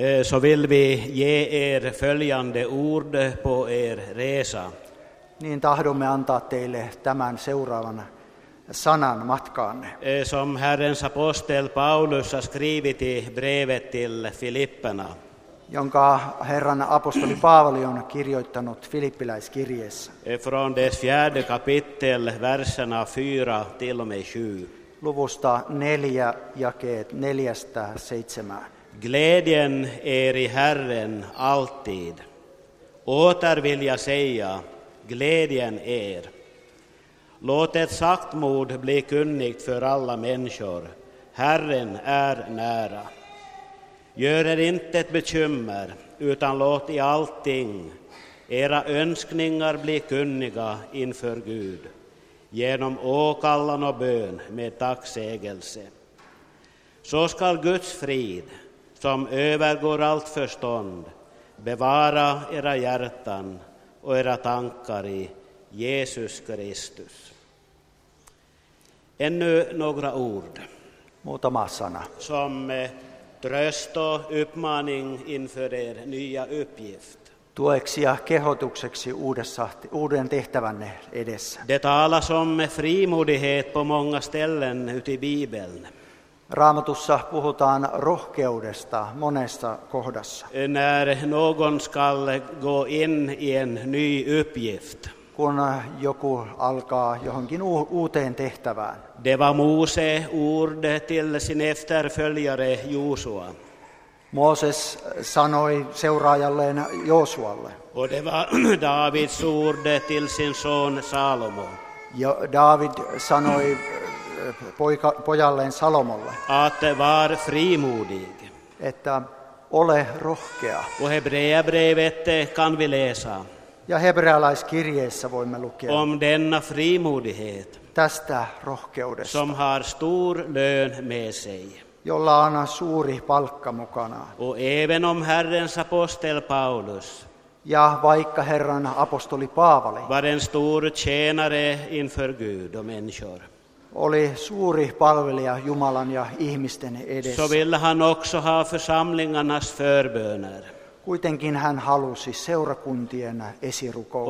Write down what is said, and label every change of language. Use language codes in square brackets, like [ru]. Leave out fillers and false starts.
[sv] Så vill vi ge er följande ord på er resa. [fi] Niin tahdomme antaa teille tämän seuraavan sanan matkaanne. [sv] Som Herrens apostel Paulus har skrivit i brevet till Filipperna. [fi] Jonka Herran apostoli Paavali on kirjoittanut filippiläiskirjeessä. [sv] Från dess fjärde kapitel, verserna 4 till och med 7. [fi] Luvusta 4, jakeet 4-7. [sv] Glädjen är i Herren alltid. Åter vill jag säga, glädjen är. Låt ett sagt mod bli kunnigt för alla människor. Herren är nära. Gör er inte ett bekymmer, utan låt i allting era önskningar bli kunniga inför Gud. Genom åkallan och bön med tacksägelse. Så skall Guds frid, som övergår allt förstånd, bevara era hjärtan och era tankar i Jesus Kristus. Ännu några ord. [fi] Muutama sana. [sv] Som tröst och uppmaning inför er nya uppgift. [fi] Tueksi ja kehotukseksi uuden tehtävänne edessä. [sv] Det talas om frimodighet på många ställen ute i Bibeln. [fi] Raamatussa puhutaan rohkeudesta monessa kohdassa. [sv] När någon skall gå in i en ny uppgift. [fi] Kun joku alkaa johonkin uuteen tehtävään. [sv] Det var Mose ord till sin efterföljare Joshua. [fi] Mooses sanoi seuraajalleen Joosualle. [sv] Och det var Davids ord till sin son Salomo. [fi] Ja David sanoi pojalleen Salomolle. [sv] Att var frimodig. [fi] Että ole rohkea. [sv] Och hebreabrevet kan vi läsa. [fi] Ja hebrealaiskirjeessä voimme lukea. [sv] Om denna frimodighet. [fi] Tästä rohkeudesta. [sv] Som har stor lön med sig. [fi] Jolla on suuri palkka mukana. [sv] Och även om Herrens apostel Paulus. [fi] Ja vaikka Herran apostoli Paavali. [sv] Var en stor tjänare inför Gud och människor. [fi] Oli suuri palvelija Jumalan ja ihmisten edessä. [sv] Så vill han också ha församlingarnas förböner. [fi] Kuitenkin hän halusi seurakuntien esirukouksia.